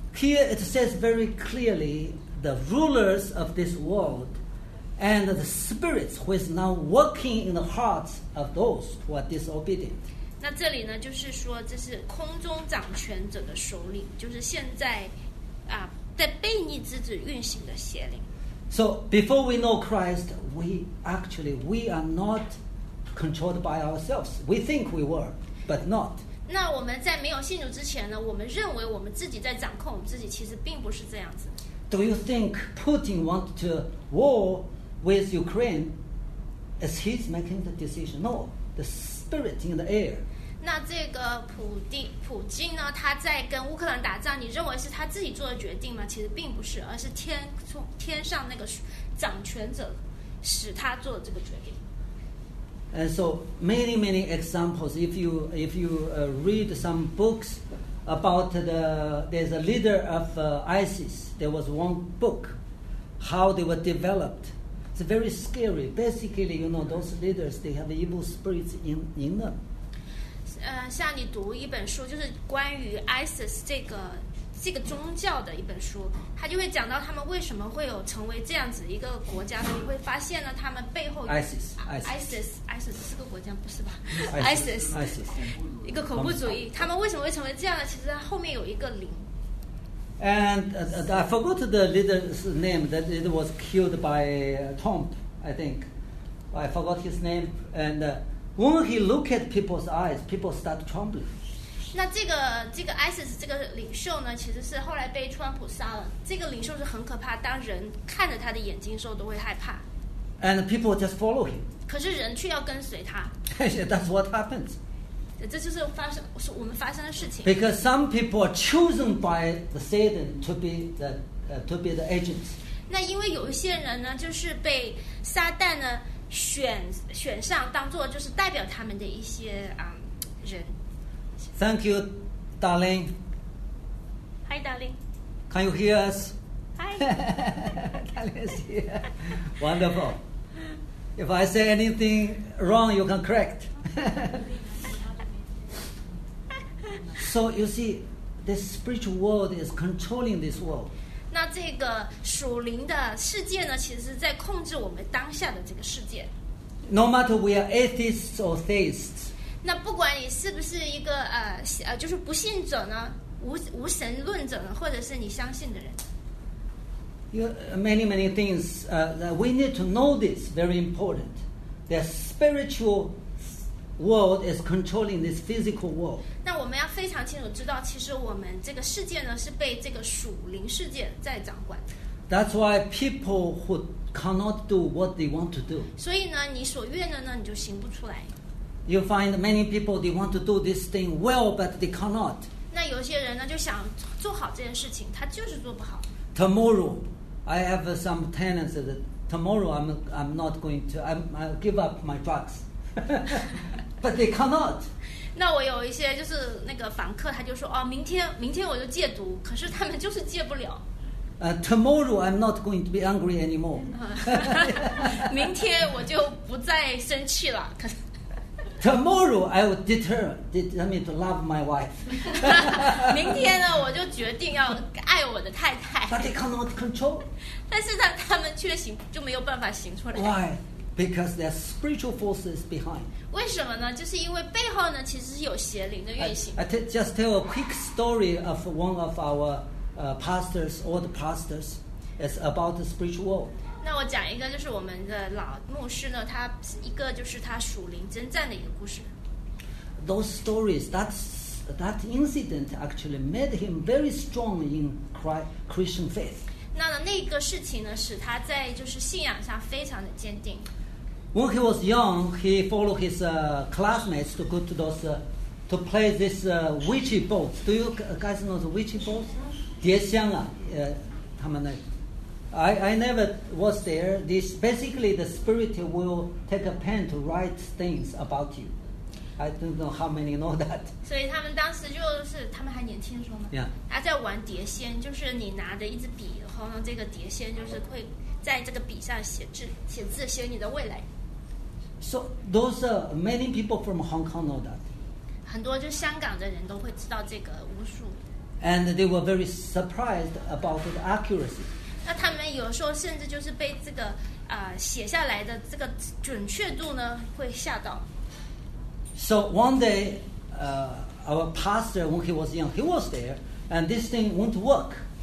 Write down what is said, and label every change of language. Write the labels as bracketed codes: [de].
[en] Here it says very clearly, the rulers of this world. And the spirits who is now working in the hearts of those who are disobedient. [zh] 那这里呢，就是说，这是空中掌权者的首领，就是现在，啊，在悖逆之子运行的邪灵。 [en] So before we know Christ, we are not controlled by ourselves. We think we were, but not. [zh] 那我们在没有信主之前呢，我们认为我们自己在掌控我们自己，其实并不是这样子。 [en] Do you think Putin wants to war? With Ukraine, as he's making the decision, no, the spirit in the air. [zh] 那这个普京呢？他在跟乌克兰打仗，你认为是他自己做的决定吗？其实并不是，而是天上那个掌权者使他做这个决定。 [en] And so many examples. If you read some books about there's a leader of ISIS. There was one book, how they were developed. It's very scary. Basically, you know, those leaders, they have evil spirits in them. [zh] 像你读一本书，就是关于 ISIS 这个宗教的一本书，他就会讲到他们为什么会有成为这样子一个国家呢？你会发现呢，他们背后 ISIS 是个国家不是吧？ISIS 一个恐怖主义，他们为什么会成为这样呢？其实后面有一个灵。 [en] And I forgot the leader's name. That it was killed by Trump, I think. I forgot his name. And when he look at people's eyes, people start trembling. [zh] 那这个 ISIS 这个领袖呢，其实是后来被川普杀了。这个领袖是很可怕，当人看着他的眼睛的时候都会害怕。 [en] And people just follow him. [zh] 可是人却要跟随他。 [en] That's what happens. [zh] 这就是我们发生的事情。 [en] Because some people are chosen by the Satan to be the agents. [zh] 那因为有一些人呢，就是被撒旦呢选上，当做就是代表他们的一些人。 [en] Thank you, darling. Hi, darling. Can you hear us? Hi. Darling is here. Wonderful. If I say anything wrong, you can correct. So you see, the spiritual world is controlling this world. [zh] 那这个属灵的世界呢，其实在控制我们当下的这个世界。 [en] No matter we are atheists or theists. [zh] 那不管你是不是一个就是不信者呢，无神论者呢，或者是你相信的人。 [en] You many things. That we need to know this very important. The spiritual. World is controlling this physical world. [zh] 那我们要非常清楚知道，其实我们这个世界呢是被这个属灵世界在掌管。 [en] That's why people who cannot do what they want to do. [zh] 所以呢，你所愿的呢，你就行不出来。 [en] You find many people they want to do this thing well, but they cannot. [zh] 那有些人呢就想做好这件事情，他就是做不好。 [en] Tomorrow, I have some tenants that tomorrow I'll give up my drugs. But they cannot. [zh] 那我有一些就是那个房客，他就说哦，明天我就戒毒，可是他们就是戒不了。 [en] Tomorrow I'm not going to be angry anymore. [zh] 明天我就不再生气了。可 [en] 是 Tomorrow I will determine to love my wife. [zh] 明天呢，我就决定要爱我的太太。 [en] But they cannot control. [zh] 但是他们却行就没有办法行出来。 [en] Why? Because there are spiritual forces behind. [zh] 为什么呢？就是因为背后呢，其实是有邪灵的运行。 [en] I just tell a quick story of one of our pastors, old pastors. It's about the spiritual world. [zh] 那我讲一个，就是我们的老牧师呢，他一个就是他属灵征战的一个故事。 [en] Those stories, that incident actually made him very strong in Christian faith. [zh] 那个事情呢，使他在就是信仰上非常的坚定。 [en] When he was young, he followed his classmates to go to those, to play this witchy boat. Do you guys know the witchy boat? [zh] 蝶香啊，他们那个。 [en] I never was there. This basically the spirit will take a pen to write things about you. I don't know how many know that. [zh] 所以他们当时就是他们还年轻的时候嘛，他在玩碟仙，就是你拿着一支笔，然后呢这个碟仙就是会在这个笔上写字，写字写你的未来。 [en] So those many people from Hong Kong know that. [zh] 很多就香港的人都会知道这个巫术。 [en] And they were very surprised about the accuracy. [zh] 那他们有时候甚至就是被这个写下来的这个准确度呢会吓到。 [en] So one day, our pastor, when he was young, he was there, and this thing won't work.